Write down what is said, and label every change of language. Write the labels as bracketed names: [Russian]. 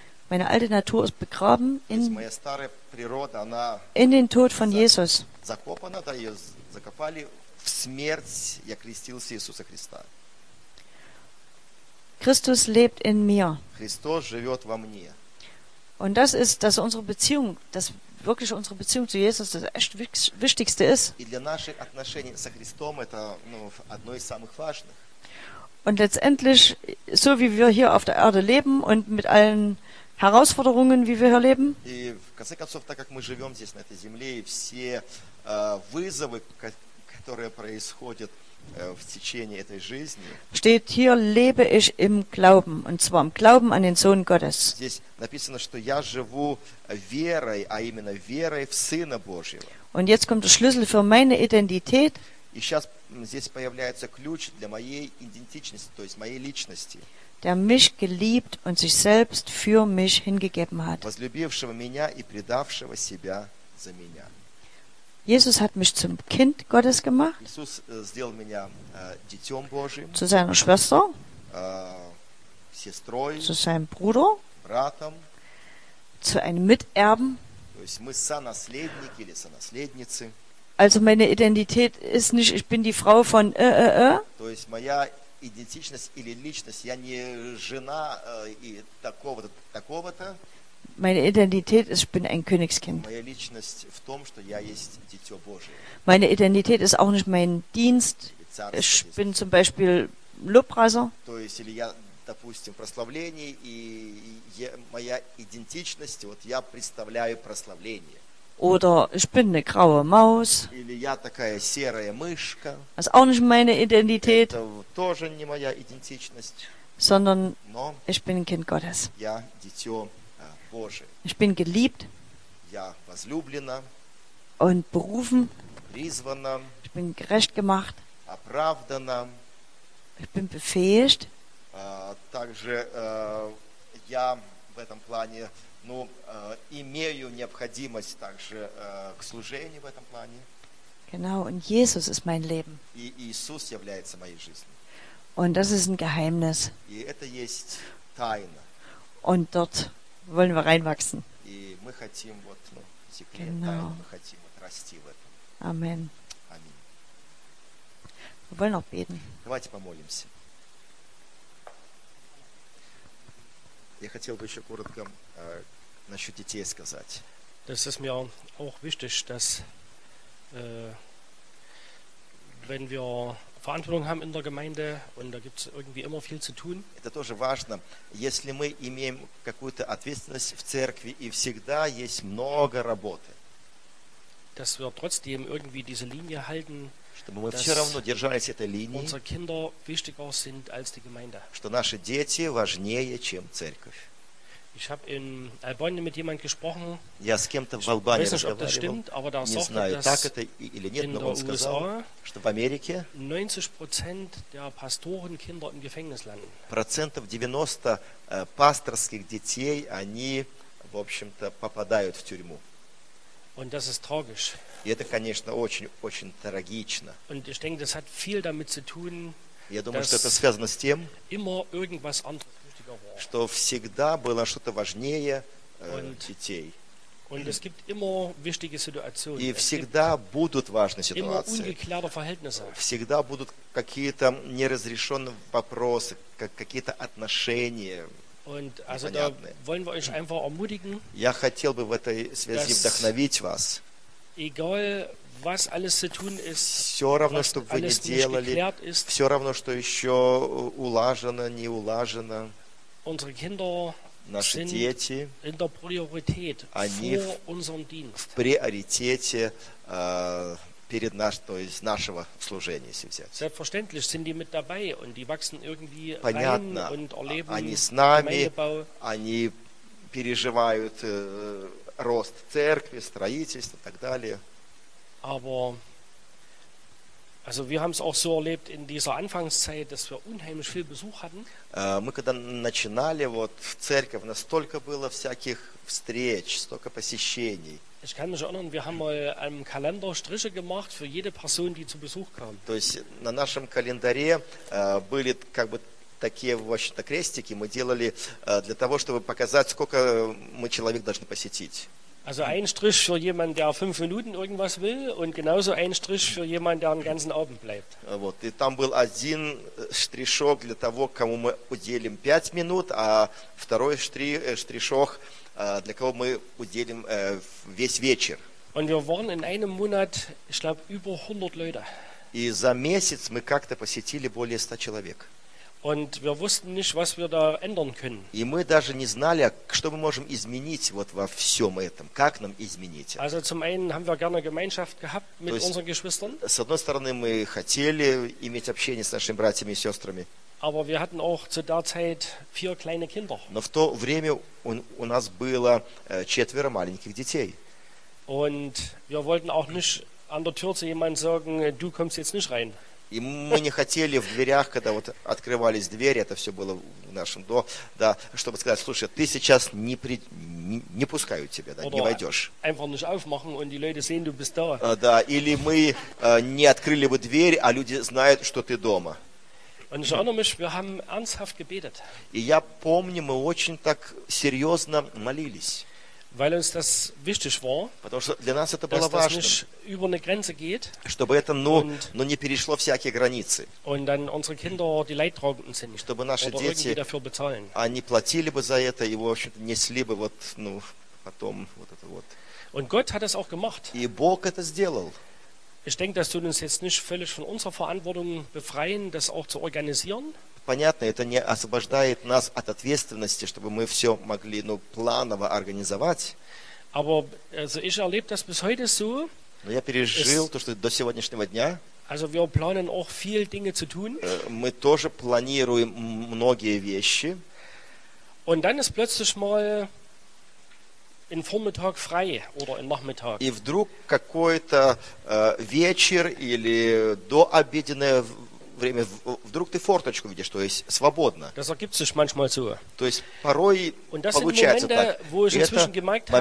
[German] Meine alte Natur ist begraben in, [Russian] моя старая природа, она [German] in den Tod von Jesus. [Russian] Закопана, да, ее закопали в смерть, я крестился Иисуса Христа. [German] Christus lebt in mir. [Russian] Христос живет во мне. [German] Und das ist, dass unsere Beziehung, dass wirklich unsere Beziehung zu Jesus das echt wichtigste ist. [Russian] И для наших отношений со Христом это, ну, одно из самых важных. [German] Und letztendlich, so wie wir hier auf der Erde leben und mit allen Herausforderungen, wie wir hier leben. [Russian] И в конце концов, так как мы живем здесь, на этой земле, и все вызовы, которые происходят в течение этой жизни, [German] steht hier, lebe ich im Glauben, und zwar im Glauben an den Sohn Gottes. [Russian] Здесь написано, что я живу верой, а именно верой в Сына Божьего. [German] Und jetzt kommt der Schlüssel für meine Identität. [Russian] И сейчас здесь появляется ключ для моей идентичности, то есть моей личности. [German] Der mich geliebt und sich selbst für mich hingegeben hat. [Russian] Возлюбившего меня и предавшего себя за меня. [German] Jesus hat mich zum Kind Gottes gemacht. [Russian] Иисус сделал меня детем Божьим. [German] Zu seiner Schwester. [Russian] Сестрой. [German] Zu seinem Bruder. [Russian] Братом. [German] Zu einem Miterben. [Russian] То есть мы сонаследники или сонаследницы. [German] Also meine Identität ist nicht, ich bin die Frau von [Russian] То есть моя идентичность или личность, я не жена и такого-то, такого-то. [German] Meine Identität ist, ich bin ein Königskind. [Russian] Моя личность в том, что я есть дитё Божие. [German] Meine Identität ist auch nicht mein Dienst. Ich bin zum Beispiel Lobpreiser. [Russian] То есть, или я, допустим, прославление, и я, моя идентичность, вот я представляю прославление. [German] Oder ich bin eine graue Maus. [Russian] Или я такая серая мышка. [German] Das ist auch nicht meine Identität. [Russian] Это тоже не моя идентичность. [German] Sondern ich bin ein Kind Gottes. [Russian] Я дитё Божие. [German] Ich bin geliebt. [Russian] Я возлюблена. [German] Und berufen. [Russian] Призвана. [German] Ich bin gerecht gemacht. [Russian] Оправдана. [German] Ich bin befähigt. [Russian] Также я в этом плане, ну, имею необходимость также к служению в этом плане. [German] Genau, und Jesus ist mein Leben. [Russian] И Иисус является моей жизнью. [German] Und das ist ein Geheimnis. [Russian] И это есть тайна. [German] Und dort wollen wir reinwachsen. [Russian] И мы хотим вот, ну, секрет тайны, мы хотим вот расти в этом. [German] Amen. [Russian] Amen. [German] Wir wollen auch beten. [Russian] Давайте помолимся. Я хотел бы еще коротко насчет детей сказать. [German] Das ist mir auch wichtig, dass wenn wir Verantwortung haben in der Gemeinde und da gibt es irgendwie immer viel zu tun. [Russian] Это тоже важно. Если мы имеем какую-то ответственность в церкви и всегда есть много работы. [German] Dass wir trotzdem irgendwie diese Linie halten. [Russian] Чтобы мы все равно держались этой линии. [German] Unsere Kinder wichtiger sind als die Gemeinde. [Russian] Что наши дети важнее, чем церковь. [German] Ich habe in Albanien mit jemand gesprochen. [Russian] Я с кем-то в Албании разговаривал. [German] Das stimmt, aber da [Russian] не знаю, так это или нет, но он сказал, что в Америке [German] 90% der Pastoren Kinder im Gefängnis landen. [Russian] Процентов 90 пасторских детей, они, в общем-то, попадают в тюрьму. [German] Und das ist tragisch. [Russian] И это, конечно, очень, очень трагично. [German] Und ich denke, das hat viel damit zu tun. [Russian] Я думаю, что это связано с тем, [German] immer irgendwas anderes. [Russian] Что всегда было что-то важнее детей. [German] Und es gibt immer wichtige Situationen. [Russian] И всегда будут важные ситуации. Всегда будут какие-то неразрешенные вопросы, какие-то отношения. [German] Und also da wollen wir euch einfach ermutigen, [Russian] я хотел бы в этой связи [German] dass [Russian] вдохновить вас. [German] Egal, was alles zu tun ist, [Russian] все равно, что вы не делали, [German] ist, [Russian] все равно, что еще улажено, не улажено. [German] Unsere Kinder [Russian] наши [German] sind [Russian] дети, [German] in der Priorität [Russian] они [German] vor unserem Dienst. [Russian] В приоритете перед наш, то есть нашего служения, если взять. [German] Selbstverständlich sind die mit dabei und die wachsen irgendwie [Russian] понятно, [German] rein und erleben [Russian] они с нами, они переживают рост церкви, строительство и так далее. [German] Aber Also wir haben es auch so erlebt in dieser Anfangszeit, dass wir unheimlich viel Besuch hatten. [Russian] Мы когда начинали вот в церковь, настолько было всяких встреч, столько посещений. [German] Ich kann mich erinnern, wir haben mal einen Kalender Striche gemacht für jede Person, die zu Besuch kam. [Russian] То есть на нашем календаре были как бы такие вообще-то крестики, мы делали для того, чтобы показать, сколько мы человек должны посетить. [German] Also ein Strich für jemanden, der fünf Minuten irgendwas will und genauso ein Strich für jemanden, der den ganzen Abend bleibt. [Russian] Вот, и там был один штришок для того, кому мы уделим пять минут, а второй штришок, для кого мы уделим весь вечер. [German] Und wir waren in einem Monat, ich glaube, über 100 Leute. [Russian] И за месяц мы как-то посетили более 100 человек. [German] Und wir wussten nicht, was wir da ändern können. [Russian] И мы даже не знали, что мы можем изменить вот во всем этом. Как нам изменить это? [German] Also zum einen haben wir gerne Gemeinschaft gehabt mit unseren Geschwistern. [Russian] С одной стороны, мы хотели иметь общение с нашими братьями и сестрами. [German] Aber wir hatten auch zu der Zeit vier kleine Kinder. [Russian] Но в то время у нас было четверо маленьких детей. [German] Und wir wollten auch nicht an der Tür zu jemandem sagen, du kommst jetzt nicht rein. [Russian] И мы не хотели в дверях, когда вот открывались двери, это все было в нашем доме, да, чтобы сказать, слушай, ты сейчас не пускаю тебя, да, не войдешь. [German] Einfach nicht aufmachen und die Leute sehen, du bist da. [Russian] Да, или мы не открыли бы дверь, а люди знают, что ты дома. [German] Und ich erinnere mich, wir haben ernsthaft gebetet. [Russian] И я помню, мы очень так серьезно молились. [German] Weil uns das wichtig war, [Russian] потому что для нас это было важно, [German] das nicht über eine Grenze geht, [Russian] чтобы это но не перешло всякие границы, [German] und dann unsere Kinder die Leidtragenden sind, [Russian] чтобы наши [German] oder [Russian] дети [German] irgendwie dafür bezahlen. [Russian] Они платили бы за это и, в общем-то, несли бы вот, ну, потом вот это вот. [German] Und Gott hat das auch gemacht. [Russian] И Бог это сделал. [German] Ich denke, das tut uns jetzt nicht völlig von unserer Verantwortung befreien, das auch zu organisieren. [Russian] Понятно, это не освобождает нас от ответственности, чтобы мы все могли, ну, планово организовать. [German] Aber, also ich erlebe das bis heute so. [Russian] Но я пережил то, что до сегодняшнего дня. [German] Also wir planen auch viel Dinge zu tun. [Russian] Мы тоже планируем многие вещи. [German] Und dann ist plötzlich mal ein Vormittag frei oder ein Nachmittag. [Russian] И вдруг какой-то вечер или дообеденное время, вдруг ты форточку видишь, то есть свободно. [German] Das ergibt sich manchmal so. [Russian] То есть порой [German] und das [Russian] получается [German] sind Momente, [Russian] так. [German] Wo ich inzwischen gemerkt habe,